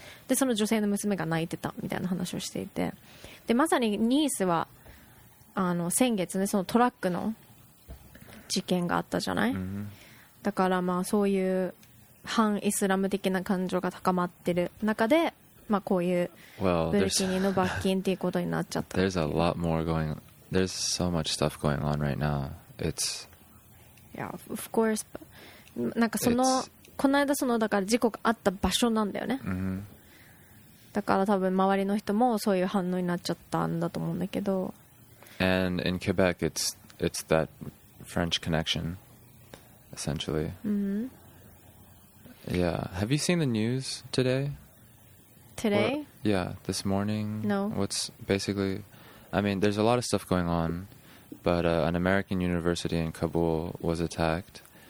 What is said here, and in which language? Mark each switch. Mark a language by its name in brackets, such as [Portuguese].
[Japanese] でその女性の娘が泣いてたみたいな話をしていて、でまさにニースはあの先月ね、そのトラックの事件があったじゃない、うん、だからまあそういう反イスラム的な感情が高まってる中で、まあ、こういうブルキニの罰金っていうことになっちゃった。 [English] There's a lot more going on. There's so much stuff going on right now. It's Yeah, of course. But, [Japanese] なんかその、 [English] It's... [Japanese] この間そのだから事故があった場所なんだよね、 mm-hmm. だから多分周りの人もそういう反応になっちゃったんだと思うんだけど。 [English] And in Quebec, it's that French connection, essentially. Mm-hmm. Yeah. Have you seen the news today? Today? Or, yeah, this morning. No. What's basically... I mean, there's a lot of stuff going on, but an American university in Kabul was attacked.